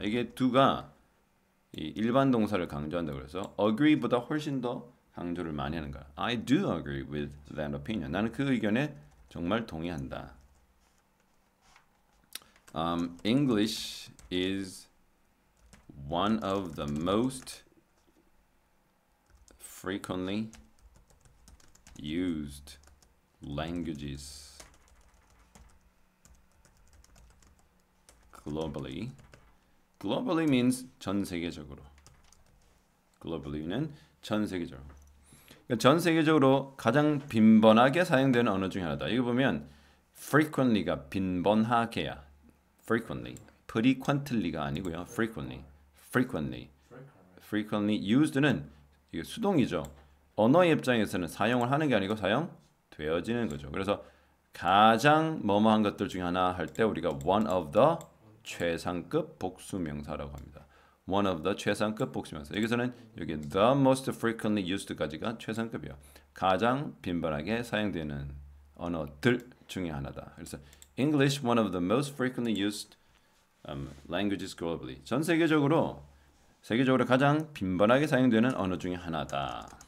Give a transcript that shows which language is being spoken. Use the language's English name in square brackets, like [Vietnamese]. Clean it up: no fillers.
[Korean] 이게 두가 이 일반 동사를 강조한다 그래서 agree보다 훨씬 더 강조를 많이 하는 거야. [English] I do agree with that opinion. [Korean] 나는 그 의견에 정말 동의한다. [English] English is one of the most frequently used languages globally. Globally means [Korean] 전 세계적으로. Globally는 전 세계적으로. 전 세계적으로 가장 빈번하게 사용되는 언어 중에 하나다. 이거 보면 frequently가 빈번하게야. Frequently. [English] Frequently가 [Korean] 아니고요. [English] Frequently. Frequently. [Korean] Frequently used는 이게 수동이죠. 언어의 입장에서는 사용을 하는 게 아니고 사용되어지는 거죠. 그래서 가장 뭐뭐한 것들 중에 하나 할때 우리가 [English] one of the [Korean] 최상급 복수명사라고 합니다. [English] One of the [Korean] 최상급 복수명사. 여기서는 여기 [English] the most frequently used [Korean] 까지가 최상급이요. 가장 빈번하게 사용되는 언어들 중에 하나다. 그래서 [English] English, one of the most frequently used languages globally. [Korean] 전 세계적으로 세계적으로 가장 빈번하게 사용되는 언어 중에 하나다.